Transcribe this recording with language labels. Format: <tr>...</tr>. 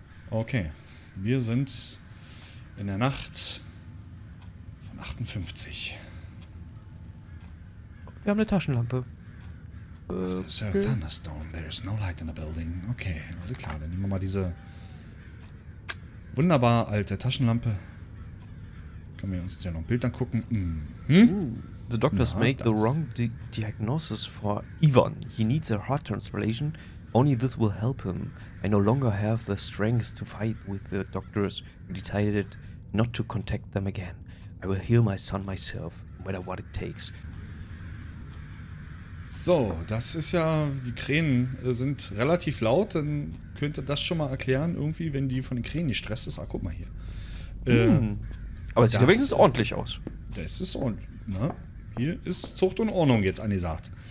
<de>Okay, wir sind in der Nacht von 58. Wir haben eine Taschenlampe.</de> <en>After a thunderstorm, there is no light in the building.</en> <de>Okay, alles klar, dann nehmen wir mal diese wunderbar alte Taschenlampe. Können wir uns ja noch ein Bild angucken.</de> <en>The doctors make the wrong diagnosis for Ivan. He needs a heart transplantation. Only this will help him. I no longer have the strength to fight with the doctors who decided not to contact them again. I will heal my son myself, no matter what it takes.</en> <de>So, das ist ja, die Krähen sind relativ laut, dann könnte das schon mal erklären, irgendwie, wenn die von den Krähen gestresst ist. Ah, guck mal hier. Aber es sieht übrigens ordentlich aus. Das ist ordentlich, ne? Hier ist Zucht und Ordnung jetzt angesagt.</de>